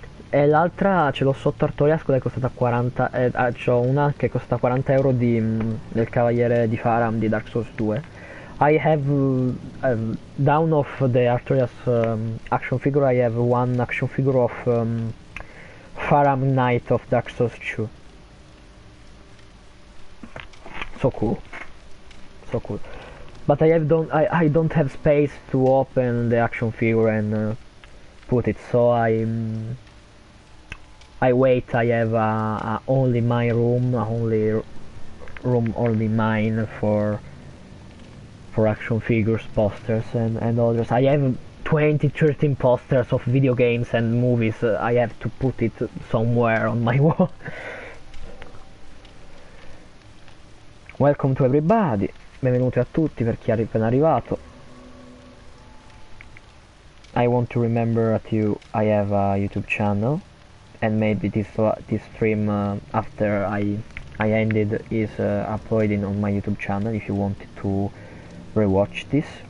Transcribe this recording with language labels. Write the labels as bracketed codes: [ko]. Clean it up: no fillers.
[it] E l'altra ce l'ho sotto Artorias, quella è costata 40. C'ho una che è costata 40 euro di del Cavaliere di Faram di Dark Souls 2. [en] I have down of the Artorias action figure. I have one action figure of Faram Knight of Dark Souls 2. So cool. But I don't have space to open the action figure and put it. So I wait. I have only my room, only mine for action figures, posters and others. I have 20-13 posters of video games and movies. I have to put it somewhere on my wall. Welcome to everybody. [it] Benvenuti a tutti per chi è appena arrivato. [en] I want to remember that you I have a YouTube channel, and maybe this stream after I ended is uploading on my YouTube channel if you wanted to rewatch this.